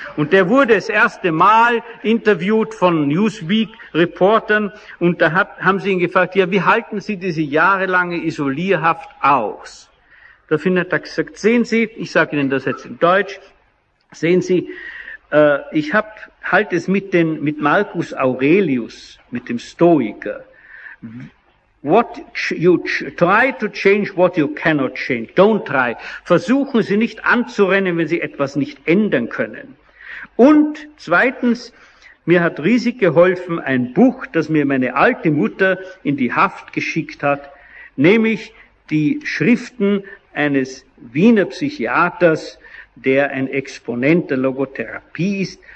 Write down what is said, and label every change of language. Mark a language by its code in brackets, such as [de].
[de] Und der wurde das erste Mal interviewt von Newsweek-Reportern und da haben sie ihn gefragt, ja, wie halten Sie diese jahrelange Isolierhaft aus? Da hat er gesagt, sehen Sie, ich sage Ihnen das jetzt in Deutsch, sehen Sie, ich halte es mit Marcus Aurelius, mit dem Stoiker. [en] What you try to change what you cannot change. Don't try. [de] Versuchen Sie nicht anzurennen, wenn Sie etwas nicht ändern können. Und zweitens, mir hat riesig geholfen ein Buch, das mir meine alte Mutter in die Haft geschickt hat, nämlich die Schriften eines Wiener Psychiaters, der ein Exponent der Logotherapie ist.